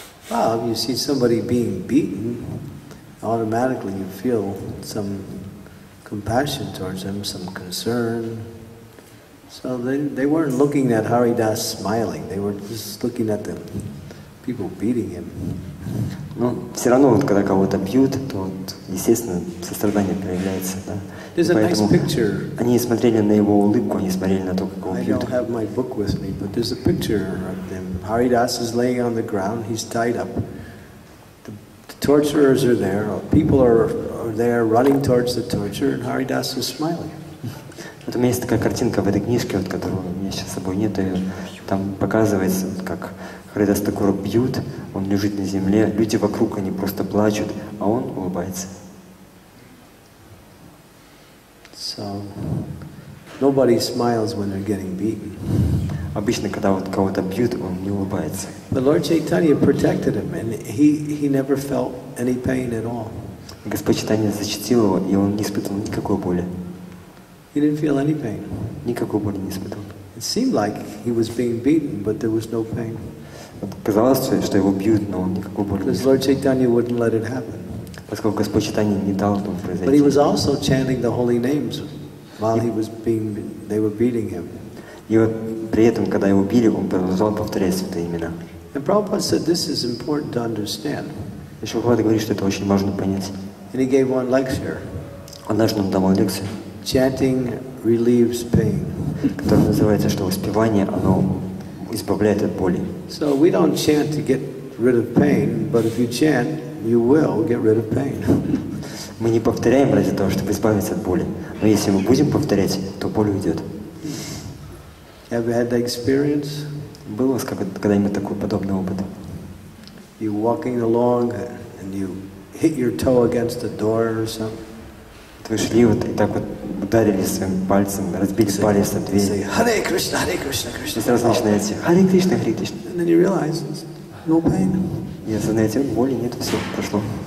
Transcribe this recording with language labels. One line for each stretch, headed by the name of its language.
English: Well, you see somebody being beaten, automatically you feel some compassion towards them, some concern. So they weren't looking at Haridas smiling, they were just looking at the people beating him.
Russian: Ну, все равно, вот, когда кого-то бьют, то, вот, естественно, сострадание проявляется, да?
English: There's a nice picture.
Russian: Они смотрели на его улыбку, они смотрели на то, как он бьет.
English: I don't have my book with me, but there's a picture of them. Haridas is laying on the ground, he's tied up. The torturers are there, people are there running towards the torture, and Haridas is smiling.
Russian: Вот у меня есть такая картинка в этой книжке, вот, которую у меня сейчас с собой нет, и там показывается, вот, как Haridas Thakura бьют, он лежит на земле, люди вокруг, они просто плачут, а он улыбается.
English: So nobody smiles when they're getting beaten.
Russian: Обычно, когда вот кого-то бьют, он не улыбается.
English: But Lord Chaitanya protected him, and he never felt any pain at all.
Russian: Господь Чайтанья защитил его, и он не испытывал никакой боли.
English: He didn't feel any pain.
Russian: Никакой боли не испытывал.
English: It seemed like he was being beaten, but there was no pain.
Russian: Казалось, что его бьют, но он никакой боли не испытывал.
English: Lord Chaitanya wouldn't let it happen.
Russian: Поскольку Господь Читание не дал этому произойти.
English: But he was also chanting the holy names while he was being, they were beating him.
Russian: И вот при этом, когда его били, он продолжал повторять святые имена.
English: And Prabhupada said this is important to understand.
Russian: И Шрила Прабхупада говорит, что это очень важно понять.
English: And he gave one lecture.
Russian: Однажды он давал лекцию.
English: Chanting relieves pain.
Russian: Которая называется, что воспевание, оно избавляет от боли.
English: So we don't chant to get rid of pain, but if you chant, you will get rid of pain.
Russian: Мы не повторяем ради того, чтобы избавиться от боли. Но если мы будем повторять, то боль уйдет.
English: Have you had that experience?
Russian: Был у вас когда-нибудь такой подобный опыт?
English: You walking along and you hit your toe against the door or something?
Russian: Вы шли вот и так вот ударили своим пальцем, разбили палец об дверь.
Sanskrit: Hare Krishna, Hare Krishna, Krishna.
Russian: И сразу начинаете Hare Krishna, Hare Krishna.
English: And then you realize no pain.
Russian: И осознаете, боли нет, все прошло.